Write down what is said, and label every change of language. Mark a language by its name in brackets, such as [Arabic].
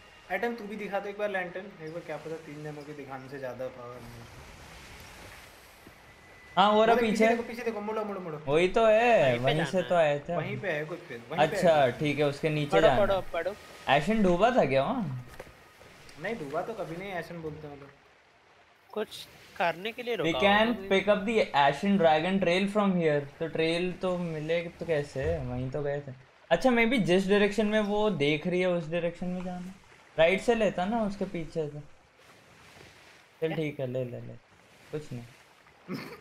[Hindi] Item तू भी दिखा दो एक बार लैंटर्न, एक बार क्या पता तीन जनों के दिखाने से ज्यादा पावर है। हाँ वो रहा पीछे, देखो पीछे देखो, मुड़ो मुड़ो मुड़ो, वही तो है वहीं से तो आए थे, वहीं पे है कुछ पे। अच्छा ठीक है, उसके नीचे जाना। पढ़ो पढ़ो पढ़ो, एशियन डूबा था क्या वहाँ? नहीं डूबा तो कभी नहीं, एशियन बोलते हैं कुछ करने के लिए। [English] We can pick up the Ashen Dragon trail from here. [Hindi] तो ट्रेल तो मिले तो कैसे, वहीं तो गए थे। अच्छा मैं भी जिस डायरेक्शन में वो देख रही है उस डायरेक्शन में जाना, राइट से लेता ना उसके पीछे से। चल ठीक है ले ले ले, कुछ नहीं।